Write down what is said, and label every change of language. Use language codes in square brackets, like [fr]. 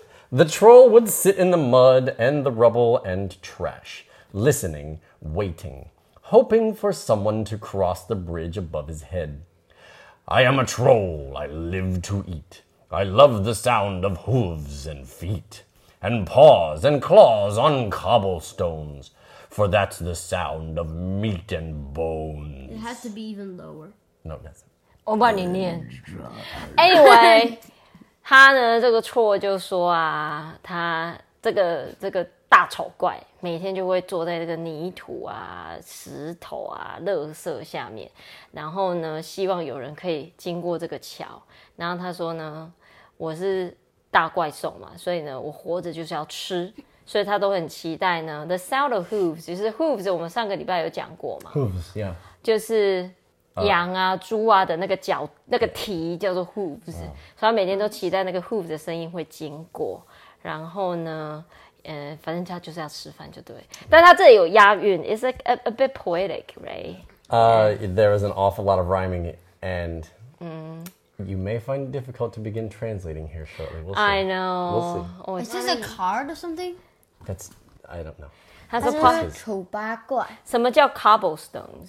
[en] The troll would sit in the mud and the rubble and trash, listening, waiting, hoping for someone to cross the bridge above his head. I am a troll, I live to eat. I love the sound of hooves and feet, and paws and claws on cobblestones, for that's the sound of meat and bones. It has to be even lower. No, it doesn't. [zh] 我帮你念。 Anyway, 他呢这个错就说啊，他这个大丑怪每天就会坐在这个泥土啊、石头啊、垃圾下面，然后呢希望有人可以经过这个桥。然后他说呢，我是大怪兽嘛，所以呢我活着就是要吃，所以他都很期待呢 [en] The sound of hooves， [zh] 就是 hooves， 我们上个礼拜有讲过嘛。 [en] Hooves, yeah. [zh] 就是羊啊猪啊的那个脚那个蹄叫做 hooves、所以他每天都期待那个 hooves 的声音会经过。然后呢反正他就是要吃饭就对。但他这里有押韵， [en] It's like a bit poetic, right? There is an awful lot of rhyming and、you may find it difficult to begin translating here shortly. We'll see. I know. We'll see. Is this a card or something? That's, I don't know. [zh] 他说 po- 是丑八怪。什么叫 cobblestones?